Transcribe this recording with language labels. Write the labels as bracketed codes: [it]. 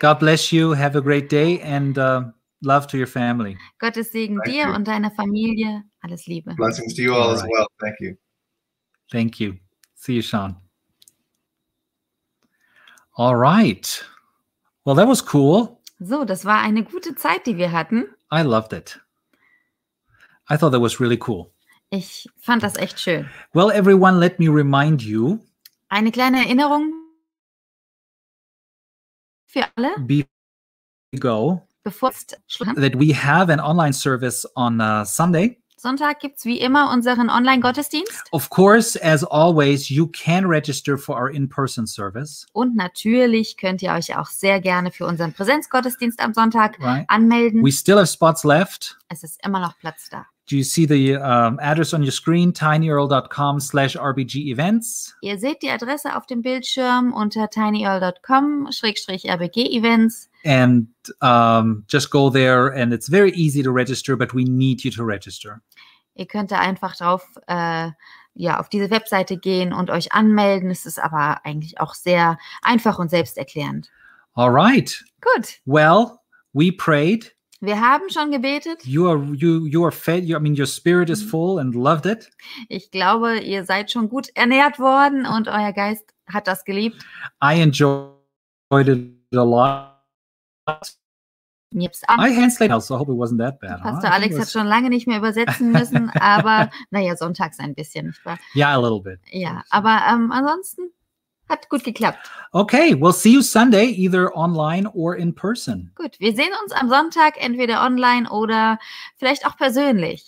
[en] God bless you. Have a great day and love to your family. [de] Gottes Segen [en] Thank [de] dir [en] you. [de] Und deiner Familie. Alles Liebe. [en] Blessings to you all right. as well. Thank you. Thank you. See you, Sean. All right. Well, that was cool. [de] So, das war eine gute Zeit, die wir hatten. [en] I loved it. I thought that was really cool. [de] Ich fand das echt schön. [en] Well, everyone, let me remind you. [de] Eine kleine Erinnerung für alle. [en] Before we go. [de] Bevor es schlussend. [en] That we have an online service on Sunday. [de] Sonntag gibt's wie immer unseren Online-Gottesdienst. [en] Of course, as always, you can register for our in-person service. [de] Und natürlich könnt ihr euch auch sehr gerne für unseren Präsenzgottesdienst am Sonntag anmelden. [en] We still have spots left. [de] Es ist immer noch Platz da. [en] Do you see the address on your screen? tinyearl.com/rbgevents. [de] Ihr seht die Adresse auf dem Bildschirm unter tinyearl.com/rbgevents. [en] And just go there, and it's very easy to register, but we need you to register. [de] Ihr könnt da einfach drauf, auf diese Webseite gehen und euch anmelden. Es ist aber eigentlich auch sehr einfach und selbsterklärend. [en] All right. Good. Well, we prayed. [de] Wir haben schon gebetet. [en] Your spirit is full and loved it. [de] Ich glaube, ihr seid schon gut ernährt worden und euer Geist hat das geliebt. [en] I enjoyed it a lot. My hands laid out, so I hope it wasn't that bad. [de] Pastor Alex hat schon lange nicht mehr übersetzen müssen, aber naja, sonntags ein bisschen. [en] Yeah, a little bit. [de] Ja, aber ansonsten hat gut geklappt. [en] Okay, we'll see you Sunday, either online or in person. [de] Gut, wir sehen uns am Sonntag, entweder online oder vielleicht auch persönlich.